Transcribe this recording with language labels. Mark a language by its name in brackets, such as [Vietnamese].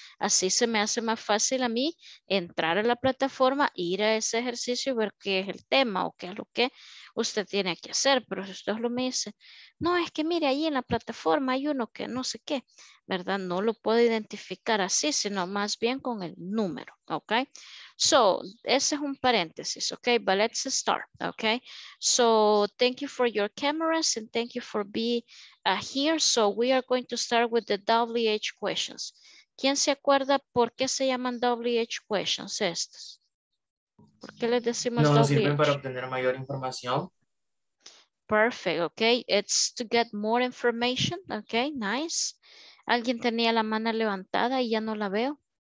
[Spanish] Así se me hace más fácil a mí entrar a la plataforma, ir a ese ejercicio y ver qué es el tema o qué es lo que usted tiene que hacer. Pero si usted lo me dice, no, es que mire, ahí en la plataforma hay uno que no sé qué, ¿verdad? No lo puedo identificar así, sino más bien con el número, ¿ok? So, ese es un paréntesis, ¿ok? [English] But let's start, [Spanish] ¿ok? [English] So, thank you for your cameras and thank you for being here. So, we are going to start with the WH questions. [Spanish] ¿Quién se acuerda por qué se llaman WH questions estas? ¿Por qué les decimos WH? No, sirven para obtener mayor información. [English] Perfect, ¿ok? It's to get more information, ¿ok? Nice. [Spanish] ¿Alguien tenía la mano levantada y ya no la veo?